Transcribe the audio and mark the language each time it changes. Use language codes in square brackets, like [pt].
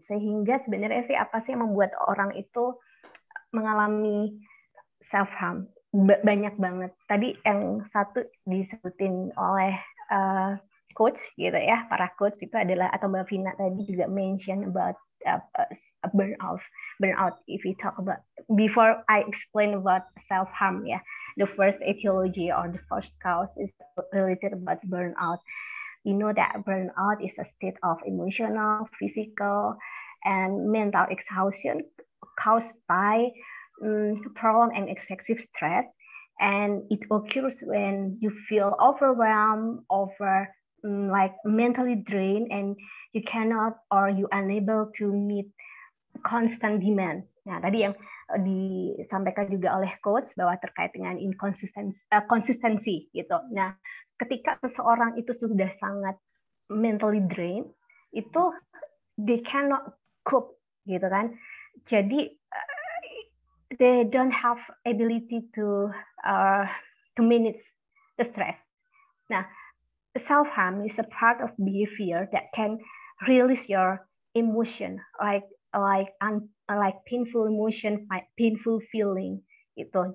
[id] Sehingga sebenarnya sih apa sih yang membuat orang itu mengalami self-harm? Banyak banget. Tadi yang satu disebutin oleh coach gitu ya, para coach itu adalah, atau Mbak Vina tadi juga [en] mention about burnout. If we talk about, before I explain about self-harm ya, yeah, the first etiology or the first cause is related about burnout. We know that burnout is a state of emotional, physical, and mental exhaustion caused by prolonged and excessive stress, and it occurs when you feel overwhelmed, like mentally drained, and you cannot or you unable to meet constant demand. [id] Nah, tadi yang disampaikan juga oleh coach bahwa terkait dengan inconsistency gitu. Nah, ketika seseorang itu sudah sangat [en] mentally drained, itu they cannot cope gitu kan. Jadi they don't have ability to manage the stress. Nah, self-harm is a part of behavior that can release your emotion, like painful emotion, painful feeling gitu.